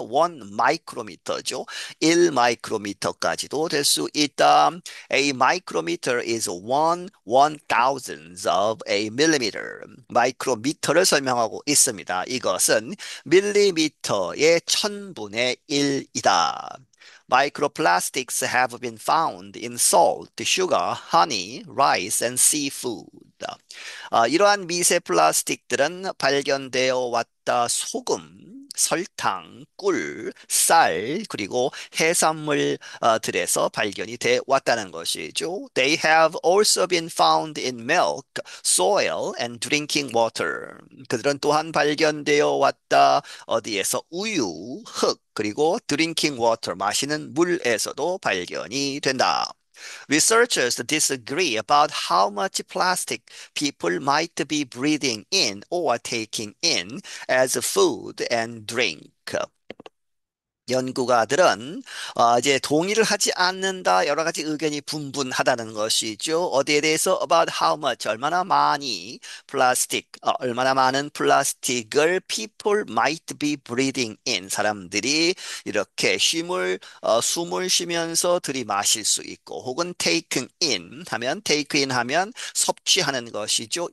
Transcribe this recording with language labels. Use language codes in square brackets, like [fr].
[ko] 1 마이크로미터죠. 1 마이크로미터까지도 될수 있다. [en] A micrometer is one one thousandth of a millimeter. [ko] 마이크로미터를 설명하고 있습니다. 이것은 밀리미터의 천분의 1이다. [en] Microplastics have been found in salt, sugar, honey, rice, and seafood. [ko] 있습니다. 이러한 미세 플라스틱들은 발견되어 왔다 소금, 설탕, 꿀, 쌀, 그리고 해산물들에서 발견이 되어 왔다는 것이죠. [en] They have also been found in milk, soil, and drinking water. [ko] 그들은 또한 발견되어 왔다 어디에서 우유, 흙, 그리고 [en] drinking water, [ko] 마시는 물에서도 발견이 된다. [en] Researchers disagree about how much plastic people might be breathing in or taking in as food and drink. [ko] 연구가들은 이제 동의를 하지 않는다. 여러 가지 의견이 분분하다는 것이죠. 어디에 대해서 [en] about how much [ko] 얼마나 많이 플라스틱 얼마나 많은 플라스틱을 [en] people might be breathing in [ko] 사람들이 이렇게 숨을 쉬면서 들이마실 수 있고 혹은 [en] take in [ko] 하면 섭취하는 것이죠.